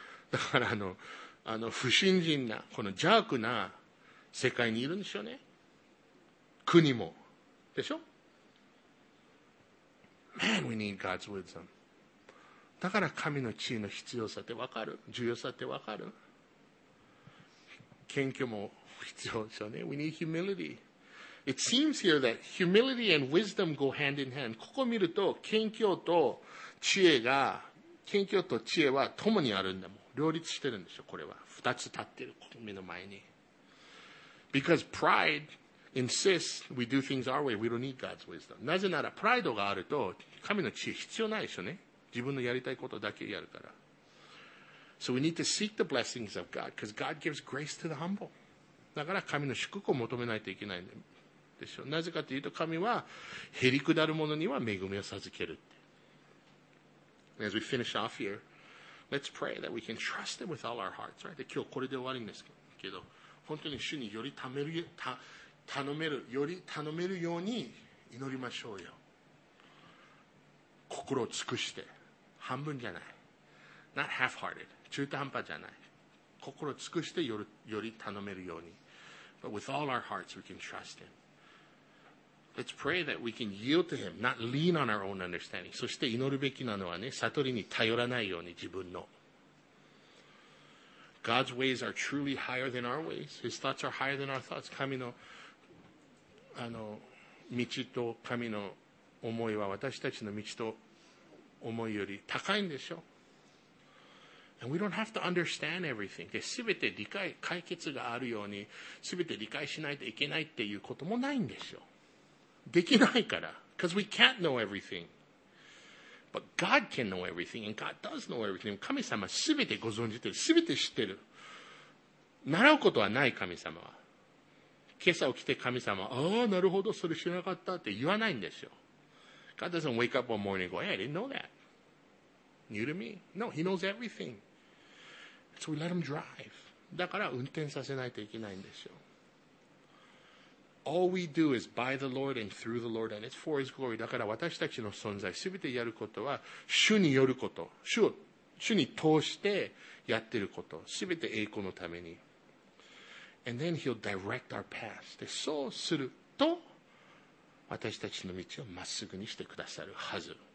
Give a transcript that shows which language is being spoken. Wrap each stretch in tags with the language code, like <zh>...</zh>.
<ja>だから、不信心な、この邪悪な世界にいるんでしょうね。国も。でしょ？</ja> <en>Man, we need God's wisdom.</en> <ja>だから神の知恵の必要さってわかる重要さってわかる謙虚も必要ですよね</ja> <en>We need humility. It seems here that humility and wisdom go hand in hand.</en> <ja>ここ見ると謙虚と知恵が謙虚と知恵は共にあるんだもん両立してるんでしょこれは二つ立ってる目の前に</ja> <en>Because prideinsist we do things our way. We don't need God's wisdom.</en> <ja>なぜならプライドがあると神の知恵必要ないでしょね。自分のやりたいことだけやるから。</ja> <en>So we need to seek the blessings of God because God gives grace to the humble.</en> <ja>だから神の祝福を求めないといけないんでしょ。なぜかというと神はへりくだる者には恵みを授けるって。</ja> <en>And as we finish off here, let's pray that we can trust Him with all our hearts. Right?</en> <ja>で今日これで終わりですけど、本当に主により貯める頼める、より頼めるように祈りましょうよ。心を尽くして、半分じゃない。</ja> <en>Not half-hearted.</en> <ja>中途半端じゃない。心を尽くしてより頼めるように。</ja> <en>But with all our hearts, we can trust Him. Let's pray that we can yield to Him, not lean on our own understanding.</en> <ja>そして祈るべきなのはね、悟りに頼らないように自分の。</ja> <en>God's ways are truly higher than our ways. His thoughts are higher than our thoughts.</en> <ja>神の道と神の思いは私たちの道と思いより高いんでしょ。</ja> <en>And we don't have to understand everything.</en> <ja>で、すべて理解、解決があるように、すべて理解しないといけないっていうこともないんでしょ。できないから。</ja> <en>Because we can't know everything. But God can know everything and God does know everything.</en> <ja>神様すべてご存じてる。すべて知ってる。習うことはない神様は。今朝起きて神様、ああ、なるほど、それ知らなかったって言わないんですよ。</ja> <en>God doesn't wake up one morning and go, hey, I didn't know that. New to me. No, he knows everything. So we let him drive.</en> <ja>だから運転させないといけないんですよ。</ja> <en>All we do is by the Lord and through the Lord and it's for his glory.</en> <ja>だから私たちの存在、すべてやることは主によること。主に通してやってること。すべて栄光のために。</ja> <en>And then he'll direct our path.</en> <ja>で、そうすると、私たちの道をまっすぐにしてくださるはず。</ja>